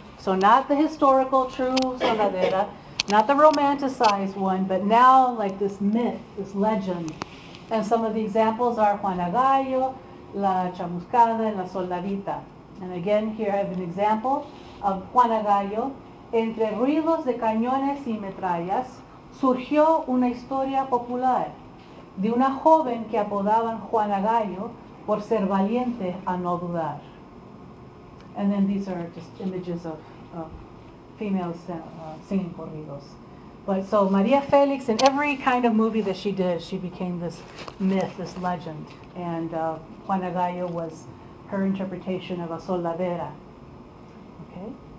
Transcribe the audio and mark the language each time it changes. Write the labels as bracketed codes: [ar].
[en] So not the historical true soldadera, not the romanticized one, but now like this myth, this legend. And some of the examples are Juana Gallo, La Chamuscada, and La Soldadita. And again, here I have an example of Juana Gallo. [es] Entre ruidos de cañones y metrallas surgió una historia popular de una joven que apodaban Juana Gallo por ser valiente a no dudar. [en] And then these are just images of females singing corridos. But so Maria Felix, in every kind of movie that she did, she became this myth, this legend. And Juana Gallo was her interpretation of a soldadera. Okay.